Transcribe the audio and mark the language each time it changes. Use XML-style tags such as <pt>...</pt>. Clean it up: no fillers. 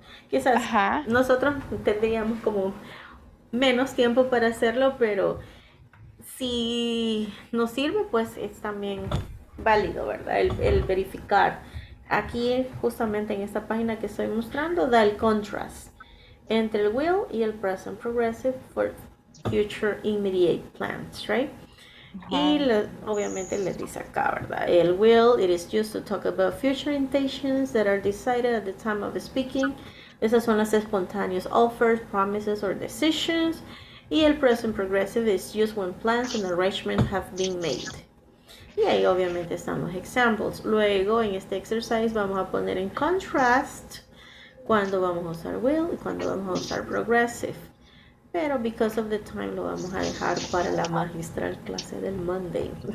<es>Quizás ajá, nosotros tendríamos como menos tiempo para hacerlo, pero si nos sirve, pues es también válido, ¿verdad? El verificar. Aquí, justamente en esta página que estoy mostrando, da el contrast entre el will y el</es> <en>present progressive for future immediate plans, right?</en> <es>Uh-huh. Y obviamente les dice acá, ¿verdad?</es> <en>El will, it is used to talk about future intentions that are decided at the time of speaking. Esas son las spontaneous offers, promises, or decisions. Y el present progressive is used when plans and arrangements have been made.</en> <es>Y ahí obviamente están los examples. Luego, en este exercise, vamos a poner en contrast cuando vamos a usar will y cuando vamos a usar progressive. Pero because of the time, lo vamos a dejar para la magistral clase del Monday.</es>